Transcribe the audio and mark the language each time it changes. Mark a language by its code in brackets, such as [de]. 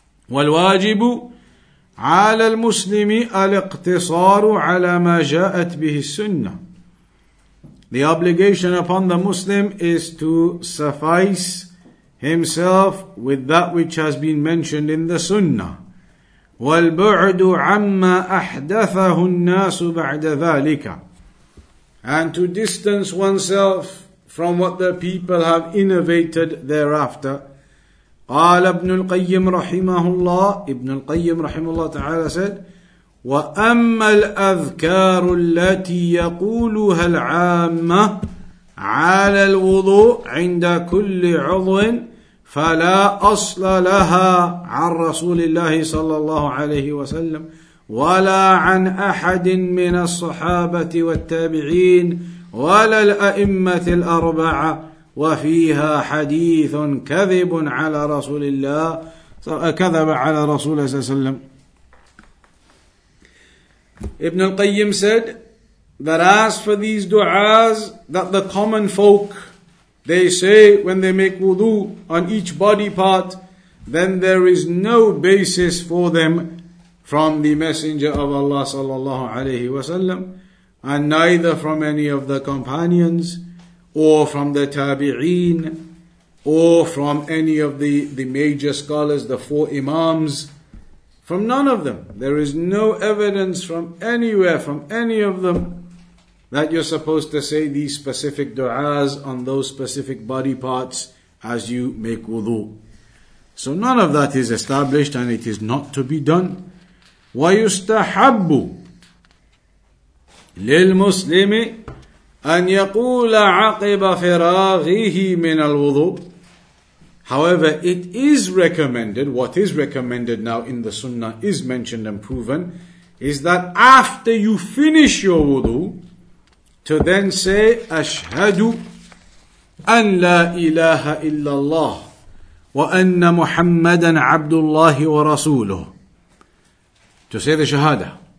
[ar] وَالْوَاجِبُ عَلَى الْمُسْلِمِ الْاِقْتِصَارُ عَلَى مَا جَاءَتْ بِهِ السُّنَّةِ. [en] The obligation upon the Muslim is to suffice himself with that which has been mentioned in the sunnah. [ar] وَالْبُعْدُ عَمَّا أَحْدَثَهُ النَّاسُ بَعْدَ ذَلِكَ. [en] And to distance oneself from what the people have innovated thereafter. [ar] قال ابن القيم رحمه الله ابن القيم رحمه الله تعالى [en] said [ar] وأما الأذكار التي يقولها العامة على الوضوء عند كل عضو فلا أصل لها عن رسول الله صلى الله عليه وسلم ولا عن أحد من الصحابة والتابعين ولا الأئمة الأربعة وفيها حديث كذب على رسول الله كذب على رسول الله صلى الله عليه وسلم. [en] Ibn al-Qayyim said that as for these du'as that the common folk they say when they make wudu on each body part, then there is no basis for them from the Messenger of Allah sallallahu alayhi wa sallam, and neither from any of the companions or from the tabi'een, or from any of the major scholars, the four imams, from none of them. There is no evidence from anywhere, from any of them, that you're supposed to say these specific du'as on those specific body parts as you make wudu. So none of that is established and it is not to be done. [ar] وَيُسْتَحَبُّ لِلْمُسْلِمِ أن يقول عقب فراغه من الوضوء. [en] However, it is recommended, what is recommended now in the sunnah is mentioned and proven, is that after you finish your wudu, to then say, [ar] أشهد أن لا إله إلا الله وأن محمدا عبد الله ورسوله. [en] To say the shahada.